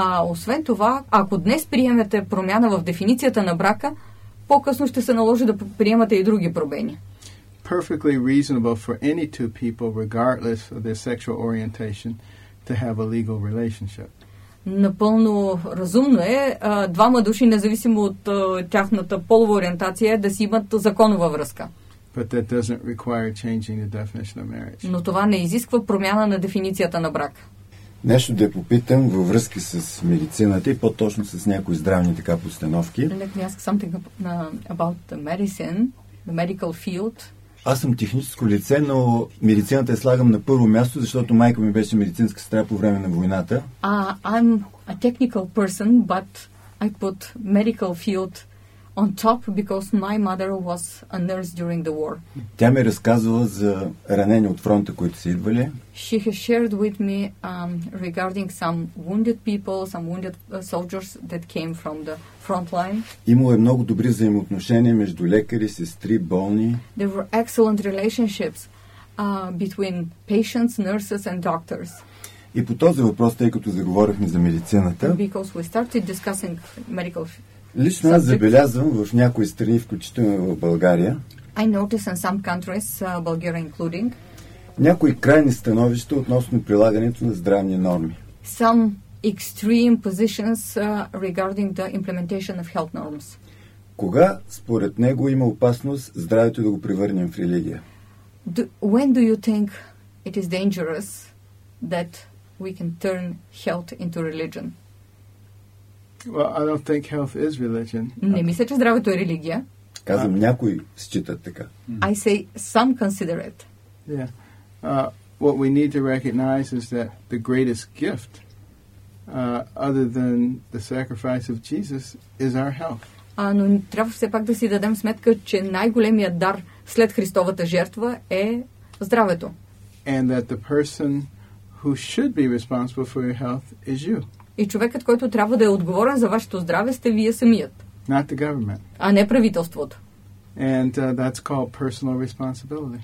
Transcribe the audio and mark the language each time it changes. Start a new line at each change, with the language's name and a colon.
Bulgarian: Освен това, ако днес приемете промяна в дефиницията на брака, по-късно ще се наложи да приемате и други промени.
English: Perfectly reasonable for any two people, regardless of their sexual orientation, to have a legal relationship.
Bulgarian: Напълно разумно е двама души, независимо от тяхната полова ориентация, да си имат законова връзка.
English: But that doesn't require changing the definition of marriage.
Bulgarian: Но това не изисква промяна на дефиницията на брак. Нещо да попитам във връзка с медицината и по-точно с някои здравни така постановки.
English: Let me ask something about the medicine, the medical field.
Bulgarian: Аз съм техническо лице, но медицината я слагам на първо място, защото майка ми беше медицинска сестра по време на войната.
English: I'm a technical person, but I put medical field on top because my mother was a nurse during the war.
Bulgarian: Тя ми разказвала за ранени от фронта, които са идвали.
English: She has shared with me regarding some wounded people, some wounded soldiers that came from the front line.
Bulgarian: Имало е много добри взаимоотношения между лекари, сестри, болни.
English: There were excellent relationships between patients, nurses and doctors.
Bulgarian: И по този въпрос, тъй като заговорихме за медицината,
English: because we started discussing medical field.
Bulgarian: Лично аз забелязвам в някои страни, включително в България,
English: I notice in some countries, Bulgaria including,
Bulgarian: някои крайни становища относно прилагането на здравни норми.
English: Some extreme positions regarding the implementation of health norms.
Bulgarian: Кога според него има опасност здравето да го превърнем в религия?
English: When do you think it is dangerous that we can turn health into religion? Well, I don't think health is religion.
Bulgarian: Не мисля, че здравето е религия. Казвам, някои считат така.
English: I say some consider it. Yeah. What we need to recognize is that the greatest gift, other than the sacrifice of Jesus, is our health.
Bulgarian: Но трябва все пак да си дадем сметка, че най-големият дар след Христовата жертва е здравето.
English: And that the person who should be responsible for your health is you.
Bulgarian: И човекът, който трябва да е отговорен за вашето здраве, сте вие самият.
English: Not the government.
Bulgarian: А не правителството.
English: And that's called personal responsibility.